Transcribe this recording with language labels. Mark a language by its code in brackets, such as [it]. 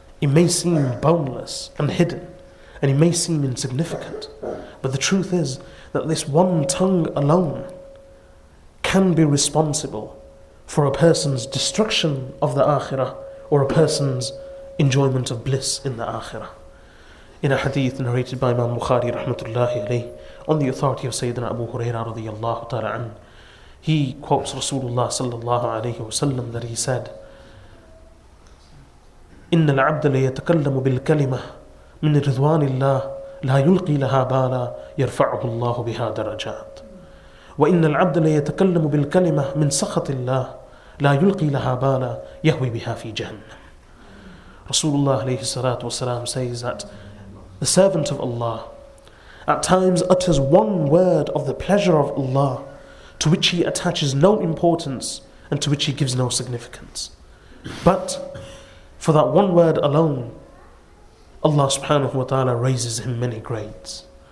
[en] It may seem boneless and hidden. And it may seem insignificant. But the truth is that this one tongue alone can be responsible for a person's destruction of the Akhirah or a person's enjoyment of bliss in the Akhirah. In a hadith narrated by Imam Bukhari rahmatullahi alayhi, on the authority of Sayyidina Abu Huraira radiyallahu ta'ala an, he quotes Rasulullah sallallahu alayhi wa sallam that he said, [ar] إِنَّ الْعَبْدَ لَيَتَكَلَّمُ بِالْكَلِمَةِ مِنْ رِضْوَانِ اللَّهِ لَا يُلْقِي لَهَا بَالًا يَرْفَعُهُ اللَّهُ بِهَا دَرَجَاتٍ وَإِنَّ الْعَبْدَ لَيَتَكَلَّمُ بِالْكَلِمَةِ مِنْ سَخَطِ اللَّهِ لَا يُلْقِي لَهَا بَالًا يَهْوِي بِهَا فِي جَهَنَّمْ. [en] Rasulullah alayhi salatu wasalam says that the servant of Allah at times utters one word of the pleasure of Allah to which he attaches no importance and to which he gives no significance. But for that one word alone, Allah subhanahu wa ta'ala raises him many grades.